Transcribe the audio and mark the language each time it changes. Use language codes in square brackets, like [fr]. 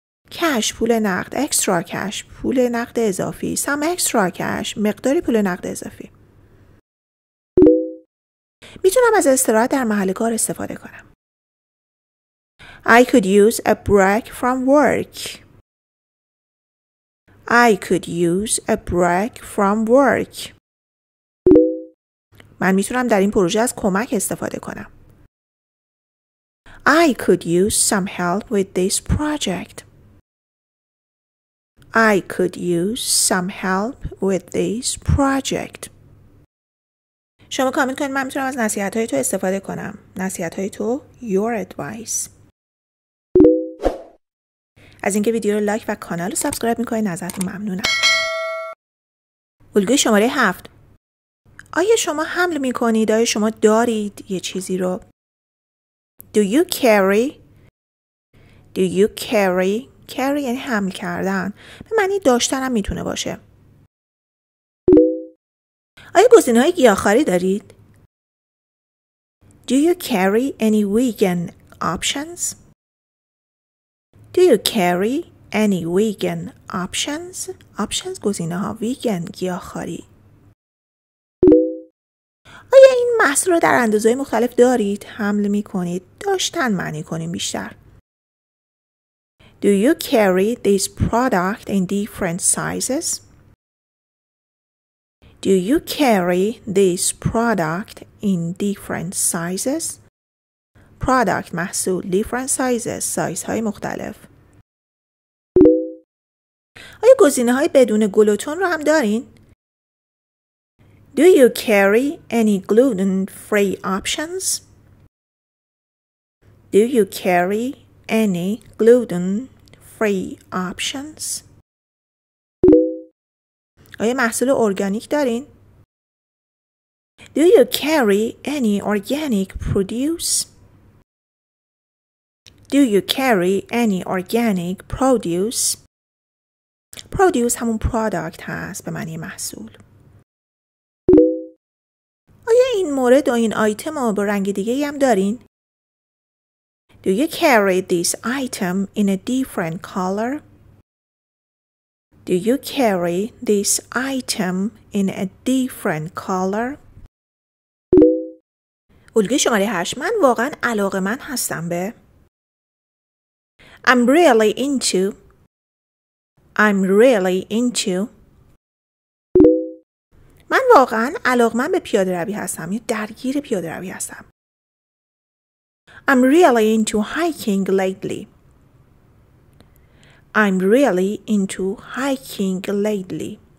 [fa] Cash پول نقد. [en] Extra cash [fa] پول نقد اضافی. [en] Some extra cash [fa] مقداری پول نقد اضافی. میتونم از استراحت در محل کار استفاده کنم. [en] I could use a break from work. I could use a break from work. [fa] من میتونم در این پروژه از کمک استفاده کنم. [en] I could use some help with this project. I could use some help with this project. [fa] شما کامنت کنید من میتونم از نصیحت های تو استفاده کنم. نصیحت های تو [en] your advice. [fa] از اینکه ویدیو رو لایک و کانال رو سابسکرایب میکنید نظرتون ممنونم. الگوی شماره 7. آیا شما حمل میکنید؟ آیا شما دارید یه چیزی رو؟ [en] Do you carry? Do you carry? [fa] Carry یعنی حمل کردن. به معنی داشتن هم میتونه باشه. آیا گزینه‌های گیاهخواری دارید؟ [en] Do you carry any vegan options? Do you carry any vegan options? [fa] Options گزینه‌ها vegan گیاهخواری. آیا این محصول رو در اندازه‌های مختلف دارید؟ حمل می‌کنید؟ داشتن معنی کنیم بیشتر. [en] Do you carry this product in different sizes? Do you carry this product in different sizes? [fa] Product محصول [en] different sizes [fa] سایز های مختلف. آیا گزینه های بدون گلوتون رو هم دارین؟ [en] Do you carry any gluten free options? Do you carry any gluten free options? [fa] آیا محصول ارگانیک دارین؟ [en] Do you carry any organic produce? Do you carry any organic produce? [fa] Produce همون product هست به معنی محصول. آیا این مورد و این آیتم رو با رنگ دیگه هم دارین؟ [en] Do you carry this item in a different color? Do you carry this item in a different color? [fa] الگوی شماره 8 من واقعا علاقه من هستم به [en] I'm really into I'm really into [fa] من واقعا علاقه من به پیاده روی هستم یا درگیر پیاده روی هستم [en] I'm really into hiking lately I'm really into hiking lately.